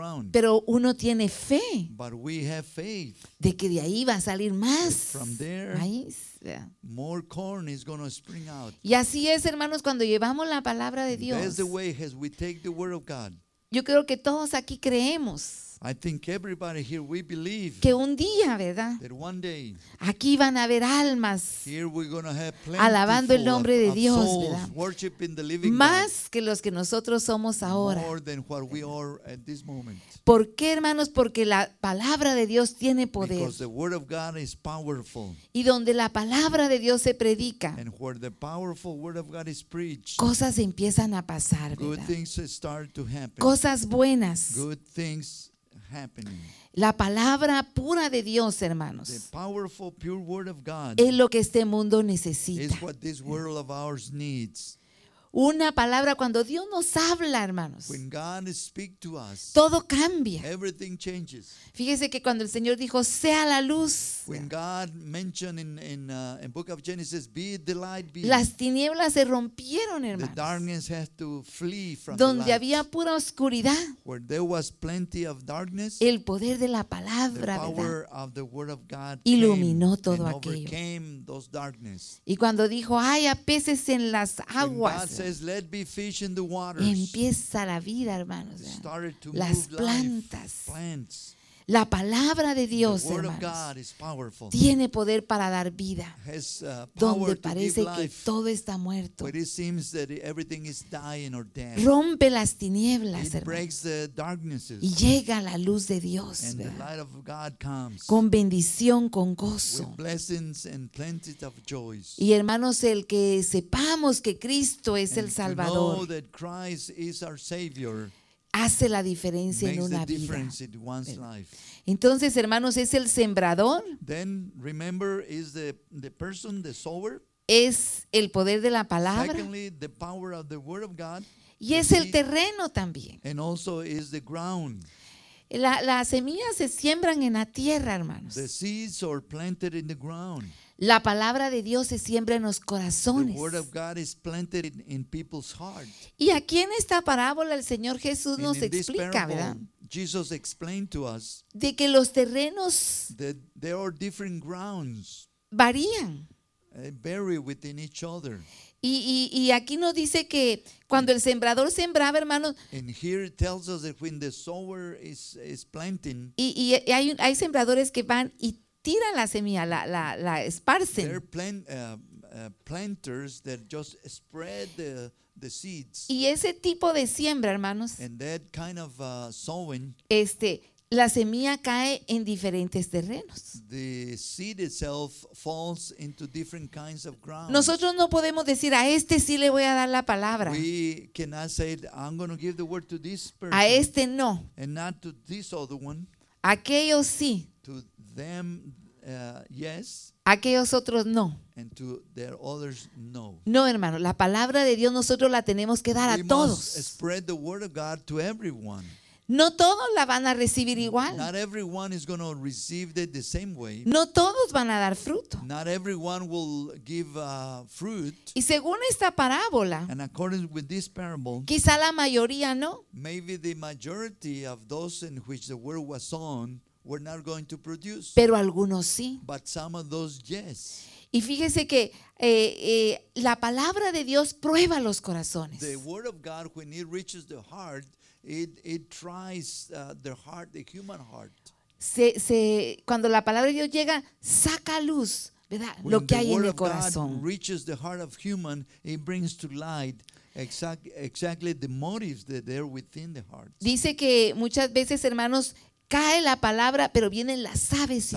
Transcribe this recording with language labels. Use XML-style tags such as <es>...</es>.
<es>Pero uno tiene fe de que de ahí va a salir más maíz.</es> <en>Yeah. More corn is going to spring out.</en> <es>Y así es, hermanos, cuando llevamos la palabra de Dios.</es> <en>That's the way as we take the word of God.</en> <es>Yo creo que todos aquí creemos.</es> <en>I think everybody here we believe</en> <es>que un día, ¿verdad?</es> <en>That one day,</en> <es>aquí van a haber almas</es> <en>here we're gonna have plenty</en> <es>alabando el nombre</es> <en>of,</en> <es>de</es> <en>of</en> <es>Dios,</es> <en>souls, worshiping the living</en> <es>más</es> <en>God,</en> <es>que los que nosotros somos ahora.</es> <en>More than what we are at this moment.</en> <es>¿Por qué, hermanos? Porque la palabra de Dios tiene poder.</es> <en>Because the word of God is powerful.</en> <es>Y donde la palabra de Dios se predica,</es> <en>and where the powerful word of God is preached,</en> <es>cosas empiezan a pasar, ¿verdad?</es> <en>Good things start to happen.</en> <es>Cosas buenas.</es> <en>Good things happening.</en> <es>La palabra pura de Dios, hermanos,</es> <en>the powerful, pure word of God,</en> <es>es lo que este mundo necesita.</es> <en>Is what this world of ours needs.</en> <es>Una palabra, cuando Dios nos habla, hermanos,</es> <en>when God speaks to us,</en> <es>todo cambia.</es> <en>Everything changes.</en> <es>Fíjese que cuando el Señor dijo, sea la luz,</es> <en>when God mentioned in Book of Genesis, be the light, be,</en> <es>las tinieblas se rompieron, hermanos.</es> <en>The darkness has to flee from</en> <es>donde</es> <en>the light,</en> <es>había pura oscuridad,</es> <en>where there was plenty of darkness,</en> <es>el poder de la palabra,</es> <en>the power of the word of God,</en> <es>iluminó</es> <en>came</en> <es>todo</es> <en>and</en> <es>aquello.</es> <en>Overcame those darkness.</en> <es>Y cuando dijo, ay, a peces en las aguas,</es> <en>God says, let be fish in the waters.</en> <es>Empieza la vida, hermanos.</es> <en>Started to</en> <es>las</es> <en>move</en> <es>plantas.</es> <en>Life. Plants.</en> <es>La palabra de Dios,</es> <en>the word</en> <es>hermanos,</es> <en>of God is powerful.</en> <es>Tiene poder para dar vida.</es> <en>Has,</en> <es>donde parece</es> <en>to give life,</en> <es>que todo está muerto.</es> <en>But it seems that everything is dying or dead.</en> <es>Rompe las tinieblas,</es> <en>it</en> <es>hermanos,</es> <en>breaks the darknesses.</en> <es>Y llega la luz de Dios.</es> <en>And the light of God comes.</en> <es>Con bendición, con gozo.</es> <en>With blessings and plenty of joys.</en> <es>Y hermanos, el que sepamos que Cristo es</es> <en>and</en> <es>el Salvador,</es> <en>to know that Christ is our Savior,</en> <es>hace la diferencia en una vida.</es> <en>In one's life.</en> <es>Entonces, hermanos, es el sembrador.</es> <en>Then, remember, is the person, the sower.</en> <es>Es el poder de la palabra.</es> <en>Secondly, the power of the word of God.</en> <es>Y es el terreno también.</es> <en>And also is the ground.</en> <es>Las semillas se siembran en la tierra, hermanos.</es> <en>The seeds are planted in the ground.</en> <es>La palabra de Dios se siembra en los corazones.</es> <en>The word of God is planted in people's heart.</en> <es>Y aquí en esta parábola el Señor Jesús nos explica, ¿verdad?</es> <en>Jesus explained to us</en> <es>de que los terrenos</es> <en>there are different grounds</en> <es>varían.</es> <en>Vary within each other.</en> <es>Y aquí nos dice que cuando el sembrador sembraba, hermanos,</es> <en>and here it tells us that when the sower is planting,</en> <es>y hay sembradores que van y tiran la semilla, la esparcen.</es> <en>There are planters that just spread the seeds.</en> <es>Y ese tipo de siembra, hermanos,</es> <en>and that kind of sowing,</en> <es>la semilla cae en diferentes terrenos.</es> <en>The seed itself falls into different kinds of ground.</en> <es>Nosotros no podemos decir, a este sí le voy a dar la palabra.</es> <en>We cannot say, I'm going to give the word to this person.</en> <es>A este no.</es> <en>And not to this other one.</en> <es>Aquellos sí.</es> <en>To them, yes.</en> <es>Aquellos otros no.</es> <en>And to their others, no.</en> <es>No, hermano, la palabra de Dios nosotros la tenemos que dar</es> <en>we</en> <es>a todos.</es> <en>We must spread the word of God to everyone.</en> <es>No todos la van a recibir igual.</es> <en>Not everyone is going to receive it the same way.</en> <es>No todos van a dar fruto.</es> <en>Not everyone will give fruit.</en> <es>Y según esta parábola,</es> <en>and according with this parable,</en> <es>quizá la mayoría no.</es> <en>Maybe the majority of those in which the word was sown were not going to produce.</en> <es>Pero algunos sí.</es> <en>But some of those, yes.</en> <es>Y fíjese que la palabra de Dios prueba los corazones.</es> <en>The word of God, when it reaches the heart, it tries the heart, the human heart.</en> <es>Se cuando la palabra de Dios llega, saca a luz, ¿verdad?</es> <en>When</en> <es>lo que hay en el corazón.</es> <en>God reaches the heart of human, it brings to light exactly the motives that there within the heart.</en> <es>Dice que muchas veces, hermanos, cae la palabra, pero vienen las aves y</es>